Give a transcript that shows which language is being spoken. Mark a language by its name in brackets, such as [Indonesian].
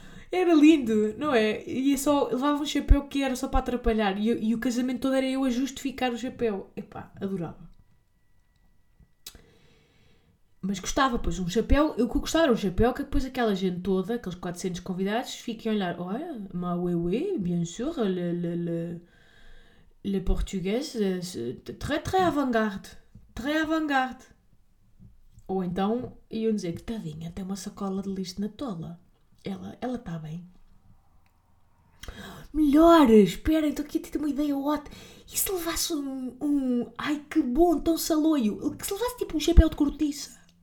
[Portuguese] Era lindo, não é? E só levava um chapéu que era só para atrapalhar. E o casamento todo era eu a justificar o chapéu. Epá, adorava. Mas gostava, pois, um chapéu. Eu que gostava era um chapéu que depois aquela gente toda, aqueles 400 convidados, fiquem a olhar. [French] Olha, ma oui, oui, bien sûr, le portugais, très, très avant-garde. Très avant-garde. [Portuguese] Ou então iam dizer que, tadinha, tem uma sacola de lixo na tola. Ela está bem. Melhor! Espera, estou aqui a ter uma ideia ótima. E se levasse um... Ai, que bom, tão saloio. Que se levasse tipo um chapéu de cortiça.